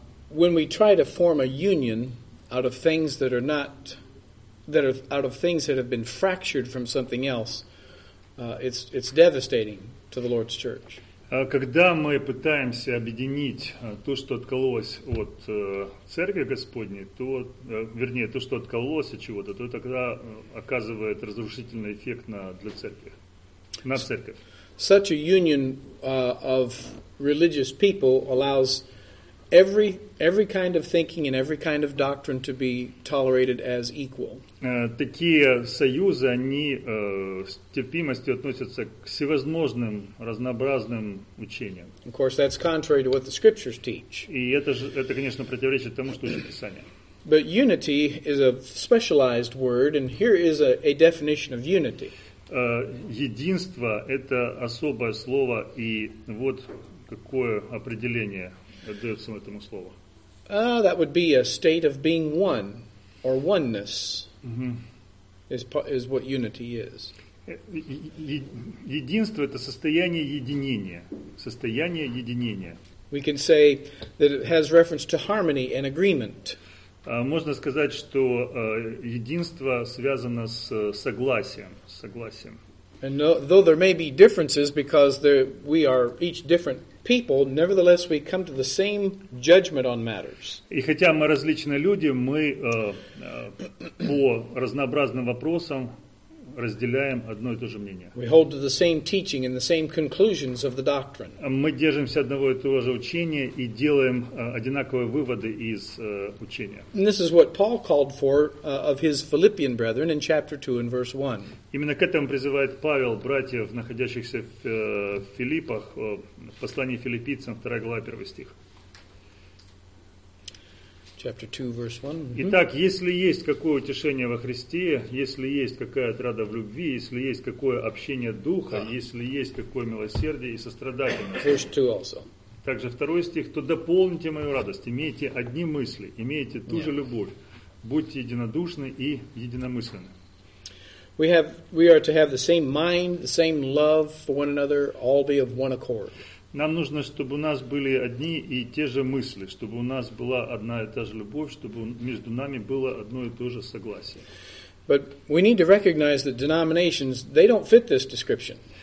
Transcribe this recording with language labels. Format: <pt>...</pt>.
<en>when we try to form a union out of things that are not. That are out of things that have been fractured from something else, it's devastating to the Lord's church.</en> <ru>Когда мы пытаемся объединить то, что откололось от Церкви Господней, то, вернее, то, что откололось от чего-то, то тогда оказывает разрушительный эффект на Церковь.</ru> <en>Such a union of religious people allows every kind of thinking and every kind of doctrine to be tolerated as equal.</en> <ru>Такие союзы, они с терпимостью относятся к всевозможным разнообразным учениям.</ru> <en>Of course, that's contrary to what the scriptures teach.</en> <ru>И это конечно противоречит тому, что учит Писание.</ru> <en>But unity is a specialized word, and here is a definition of unity.</en> <ru>Единство – это особое слово, и вот какое определение отдается этому слову.</ru> <en>That would be a state of being one, or oneness. Is what unity is.</en> <ru>Единство – это состояние единения. Состояние единения.</ru> <en>We can say that it has reference to harmony and agreement.</en> <ru>Можно сказать, что единство связано с согласием. Согласием.</ru> <en>And though there may be differences, because we are each different people, nevertheless we come to the same judgment on matters.</en> <ru>И хотя мы различные люди, мы по разнообразным вопросам разделяем одно и то же мнение.</ru> <en>We hold to the same teaching and the same conclusions of the doctrine.</en> <ru>Мы держимся одного и того же учения и делаем одинаковые выводы из учения.</ru> <en>And this is what Paul called for of his Philippian brethren in chapter 2 and verse 1.</en> <ru>Именно к этому призывает Павел братьев, находящихся в Филиппах, в послании Филиппийцам, 2 глава, 1 стих.</ru> <en>Chapter 2, verse 1. Mm-hmm.</en> <ru>Итак, если есть какое утешение во Христе, если есть какая отрада в любви, если есть какое общение Духа, если есть какое милосердие и сострадательность.</ru> <en>Verse 2 also.</en> <ru>Также второй стих. То дополните мою радость, имейте одни мысли, имейте ту же любовь, будьте единодушны и единомысленны.</ru> <en>We are to have the same mind, the same love for one another, all be of one accord.</en> <ru>Нам нужно, чтобы у нас были одни и те же мысли, чтобы у нас была одна и та же любовь, чтобы между нами было одно и то же согласие.</ru> <en>But we need to recognize that denominations, they don't fit this description.</en>